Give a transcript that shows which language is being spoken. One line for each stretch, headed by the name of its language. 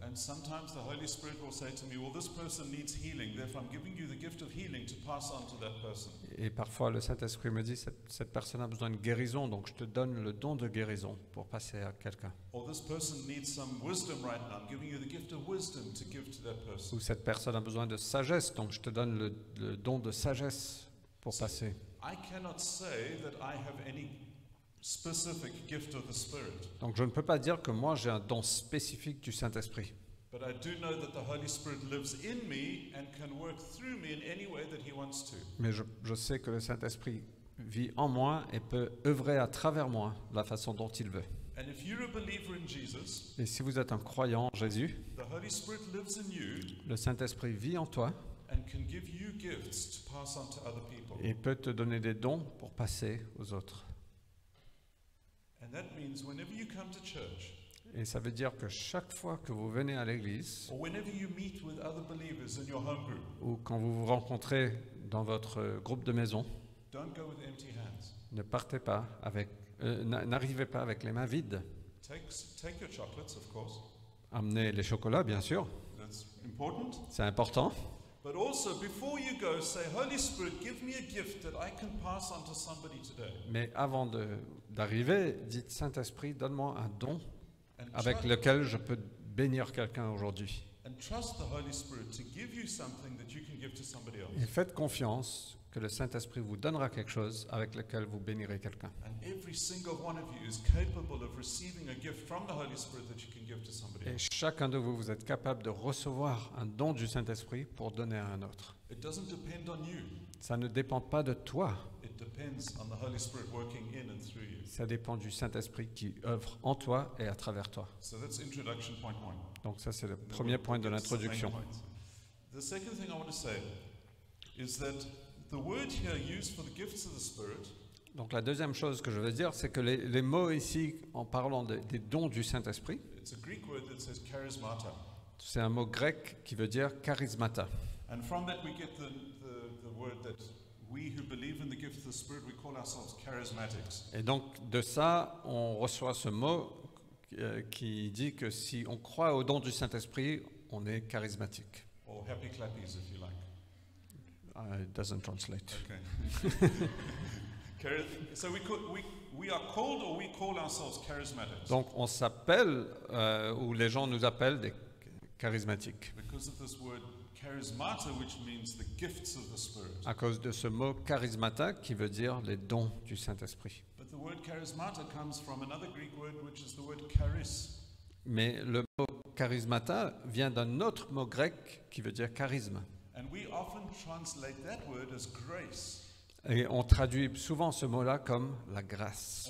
English: And sometimes the Holy Spirit will say to me, well, this person needs healing, therefore I'm giving you the gift of healing to pass on to that person.
French: Et parfois le Saint-Esprit me dit, cette personne a besoin de guérison, donc je te donne le don de guérison pour passer à quelqu'un.
English: Or this person needs some wisdom right now, I'm giving you the gift of wisdom to give to that person.
French: Ou cette personne a besoin de sagesse, donc je te donne le don de sagesse pour passer.
English: I cannot say that I have any specific gift of the Spirit.
French: Donc je ne peux pas dire que moi j'ai un don spécifique du Saint-Esprit.
English: But I do know that the Holy Spirit lives in me and can work through me in any way that he wants to.
French: Mais je sais que le Saint-Esprit vit en moi et peut œuvrer à travers moi la façon dont il veut.
English: And if you're a believer in Jesus,
French: et si vous êtes un croyant en Jésus,
English: the Holy Spirit lives in you,
French: le Saint-Esprit vit en toi
English: and can give you gifts to pass on to other people.
French: Et peut te donner des dons pour passer aux autres.
English: And that means whenever you come to church,
French: et ça veut dire que chaque fois que vous venez à l'église,
English: or whenever you meet with other believers in your home group,
French: ou quand vous vous rencontrez dans votre groupe de maison,
English: don't go with empty hands.
French: Ne partez pas avec, n'arrivez pas avec les mains vides.
English: Take your chocolates, of course.
French: Amenez les chocolats, bien sûr.
English: That's important.
French: C'est important.
English: But also before you go, say, Holy Spirit, give me a gift that I can pass on to somebody today.
French: Mais avant d'arriver, dites Saint-Esprit, donne-moi un don avec lequel je peux bénir quelqu'un aujourd'hui.
English: And trust the Holy Spirit to give you something that you can give to somebody else.
French: Et faites confiance que le Saint-Esprit vous donnera quelque chose avec lequel vous bénirez quelqu'un.
English: And every single one of you is capable of receiving a gift from the Holy Spirit that you can give to somebody else.
French: Et chacun de vous êtes capable de recevoir un don du Saint-Esprit pour donner à un autre.
English: It doesn't depend on you.
French: Ça ne dépend pas de toi.
English: It depends on the Holy Spirit working in and through you.
French: Ça dépend du Saint-Esprit qui œuvre en toi et à travers toi.
English: So that's introduction point one.
French: Donc ça c'est le premier point de l'introduction.
English: The second thing I want to say is that the word here used for the gifts of the Spirit.
French: Donc la deuxième chose que je veux dire c'est que les mots ici en parlant des dons du Saint-Esprit.
English: It's a Greek word that says charismata.
French: C'est un mot grec qui veut dire charismata.
English: And from that we get the word that we who believe in the gift of the Spirit we call ourselves charismatics.
French: Et donc de ça on reçoit ce mot qui dit que si on croit au don du Saint-Esprit, on est charismatique.
English: Or happy clappies, if you like. It doesn't translate. Okay. So we are called or we call ourselves charismatics.
French: Donc on s'appelle ou les gens nous appellent des charismatiques.
English: Because of this word charismata, which means the gifts of the Spirit.
French: À cause de ce mot charismata qui veut dire les dons du Saint-Esprit.
English: The word charismata comes from another Greek word, which is the word charis.
French: Mais le mot charismata vient d'un autre mot grec qui veut dire charisme.
English: And we often translate that word as grace.
French: Et on traduit souvent ce mot-là comme la grâce.